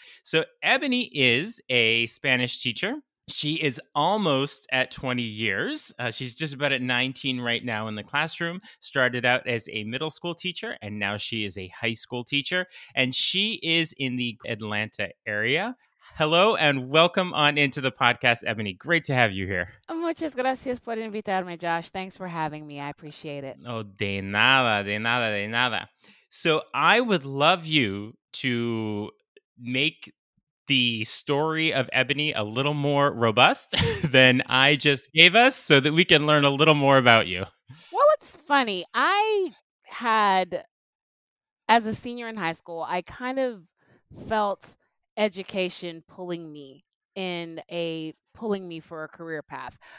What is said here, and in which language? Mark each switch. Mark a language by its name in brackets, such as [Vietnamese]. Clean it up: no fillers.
[English] So Ebony is a Spanish teacher. She is almost at 20 years. She's just about at 19 right now in the classroom. Started out as a middle school teacher, and now she is a high school teacher. And she is in the Atlanta area. Hello, and welcome on into the podcast, Ebony. Great to have you here. [Spanish] Muchas gracias por invitarme, Josh. [English] Thanks for having me. I appreciate it. [Spanish] Oh, de nada, de nada, de nada. [English] So I would love you to make the story of Ebony a little more robust than I just gave us so that we can learn a little more about you. Well, it's funny. I had, as a senior in high school, I kind of felt education pulling me for a career path.